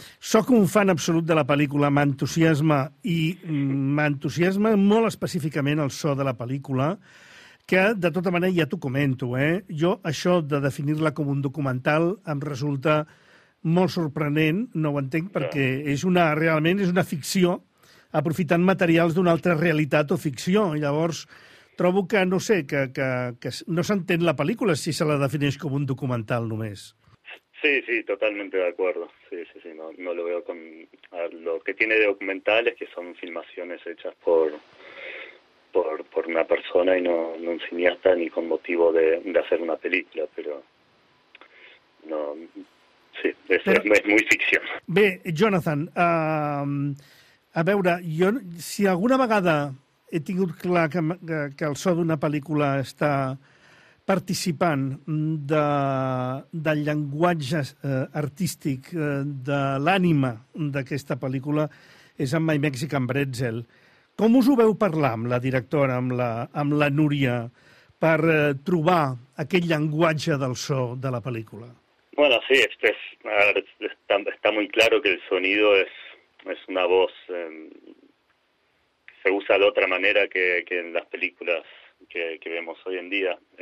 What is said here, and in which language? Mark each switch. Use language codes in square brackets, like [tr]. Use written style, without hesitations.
[ca] Soc un fan absolut de la pel·lícula, m'entusiasma, i m'entusiasma molt específicament el so de la pel·lícula, que, de tota manera, ja t'ho comento, Jo, això de definir-la com un documental em resulta molt sorprenent, no ho entenc, perquè és una, realment és una ficció aprofitant materials d'una altra realitat o ficció. Llavors, trobo que, no sé, que no s'entén la pel·lícula si se la defineix com un documental només. [es] Sí, sí, totalmente de acuerdo. Sí, no lo veo con... Lo que tiene de documental es que son filmaciones hechas por una persona y no un cineasta ni con motivo de hacer una película, pero... No... Sí, es muy ficción. [ca] Bé, Jonathan, a veure, jo, si alguna vegada he tingut clar que el so d'una pel·lícula està participant del llenguatge artístic, de l'ànima d'aquesta pel·lícula, és amb My Mexican Bretzel. Com us ho veu parlar amb la directora, amb la Núria, per trobar aquest llenguatge del so de la pel·lícula? [es] Bueno, sí, está muy claro que el sonido es una voz que se usa de otra manera que en las películas que vemos hoy en día.